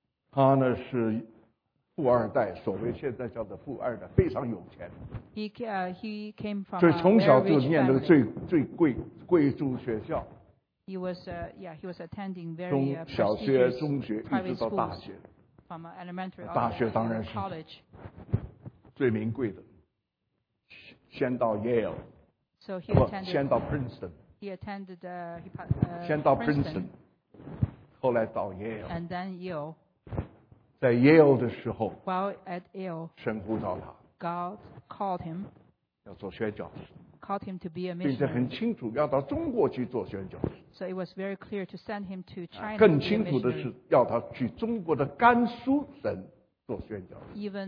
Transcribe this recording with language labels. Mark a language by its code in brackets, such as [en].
[zh] 他呢是富二代，所谓现在叫做富二代，非常有钱。 [en] He came from. [zh] 所以从小就念那个最贵族学校。 [en] He was, he was attending very prestigious private schools. [zh] 小学、中学一直到大学。 [en] From elementary. [zh] 大学当然是最名贵的。先到 Yale. [en] So he attended. [zh] 先到 Princeton. [en] He attended. [zh] 先到 Princeton. 后来到 Yale. [en] And then Yale. [zh] 在 Yale 的时候。 [en] While at Yale. [zh] 神呼召他。 [en] God called him. [zh] 要做宣教士。 [en] Called him to be a missionary. [zh] 并且很清楚要到中国去做宣教士。 [en] So it was very clear to send him to China. [zh] 更清楚的是要他去中国的甘肃省做宣教士。